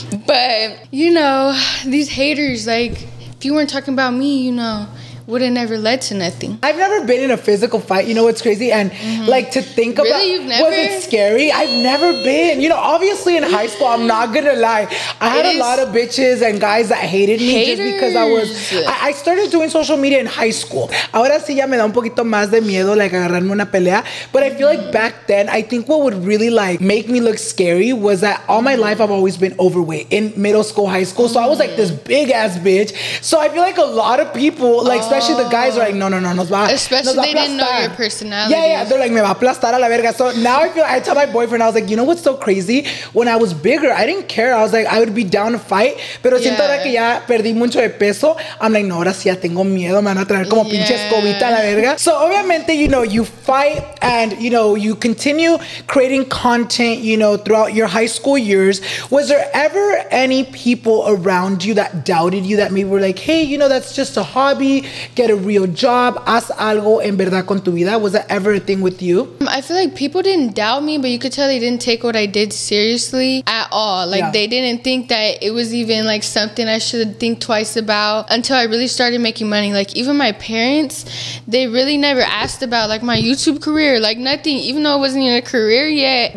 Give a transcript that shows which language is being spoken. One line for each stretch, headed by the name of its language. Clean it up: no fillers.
English: But you know, these haters, like if you weren't talking about me, you know, would have never led to nothing. I've never been in a physical fight. You know what's crazy? And like to think really, about, you've never? Was it scary? I've never been. You know, obviously in high school, I'm not going to lie, I had a lot of bitches and guys that hated me. Haters. Just because I started doing social media in high school.
Spanish: Ahora sí ya me da un poquito más de miedo like agarrarme una pelea.
English: But I feel like back then, I think what would really like make me look scary was that all my life, I've always been overweight in middle school, high school. So I was like this big ass bitch. So I feel like a lot of people like, especially the guys are like,
Spanish: no, nos va.
English: Especially they didn't know your personality. Yeah, yeah. They're like,
Spanish: me va a aplastar a la verga.
English: So now I tell my boyfriend, I was like, you know what's so crazy? When I was bigger, I didn't care. I was like, I would be down to fight.
Spanish: Pero siento ahora que ya perdí mucho de peso.
English: I'm like,
Spanish: no, ahora sí ya tengo miedo. Me van a traer como pinche escobita a la verga.
English: So
Spanish: obviamente,
English: you know, you fight and, you know, you continue creating content, you know, throughout your high school years. Was there ever any people around you that doubted you, that maybe were like, hey, you know, that's just a hobby? get a real job,
Spanish: haz algo en verdad con tu vida?
English: Was that ever a thing with you? I feel like people didn't doubt me, but you could tell they didn't take what I did seriously at all. Like, yeah, they didn't think that it was even like something I should think twice about until I really started making money. Like, even my parents, they really never asked about like my YouTube career, like nothing, even though it wasn't even a career yet.